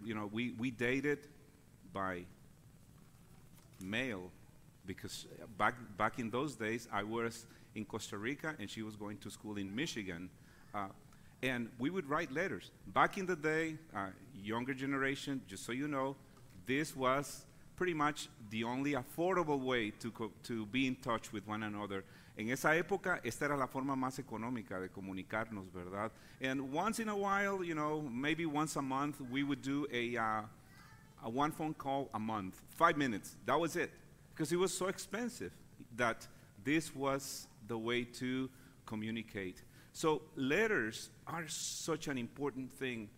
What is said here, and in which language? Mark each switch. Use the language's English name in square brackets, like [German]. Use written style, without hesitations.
[English] You know, we dated by mail because back in those days, I was in Costa Rica and she was going to school in Michigan. And we would write letters. Back in the day, younger generation, just so you know, this was pretty much the only affordable way to be in touch with one another. [Spanish] En esa época, esta era la forma más económica de comunicarnos, ¿verdad? [English] And once in a while, you know, maybe once a month, we would do a one phone call a month, 5 minutes. That was it, because it was so expensive that this was the way to communicate. So letters are such an important thing.